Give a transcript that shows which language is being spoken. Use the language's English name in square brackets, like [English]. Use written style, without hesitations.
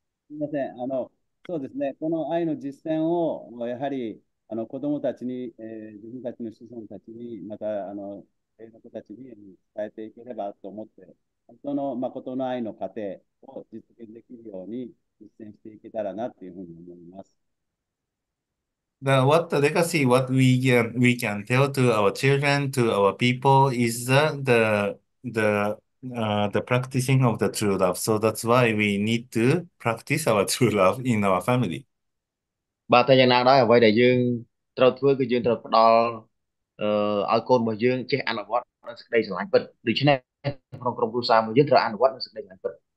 [Japanese] すみません、そうですね、この愛の実践をやはり子どもたちに、自分たちの子孫たちに、また家の子たちに伝えていければと思って、本当の誠の愛の過程を実現できるように実践していけたらなというふうに思います。 [English] What the legacy, what we can tell to our children, to our people, is the practicing of the true love. So that's why we need to practice our true love in our family. [Khmer] បាទតែយ៉ាងណាដែរអ្វីដែលយើងត្រូវធ្វើគឺយើងត្រូវផ្ដល់ឲ្យកូនរបស់យើងចេះអនុវត្តនូវសេចក្តីស្រឡាញ់ពិតដូច្នេះក្នុងក្រុមគ្រួសាររបស់យើងត្រូវអនុវត្តនូវសេចក្តីស្រឡាញ់ពិត